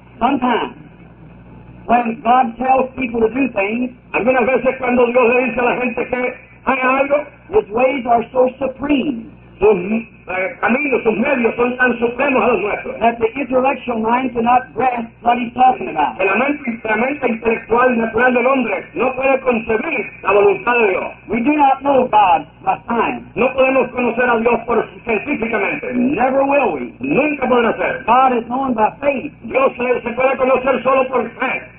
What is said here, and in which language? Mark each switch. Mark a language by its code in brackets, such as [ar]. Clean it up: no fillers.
[en] Sometimes, when God tells people to do things. [es] Algunas veces cuando Dios le dice a la gente que haga algo. [en] His ways are so supreme. [es] Caminos, sus medios son tan supremos a los nuestros. [en] That the intellectual mind cannot grasp what he's talking about. [es] Que la mente intelectual natural del hombre no puede concebir la voluntad de Dios. [en] We do not know God by science. [es] No podemos conocer a Dios por científicamente. [en] Never will we. [es] Nunca podrá ser. [en] God is known by faith. [es] Dios se puede conocer solo por fe.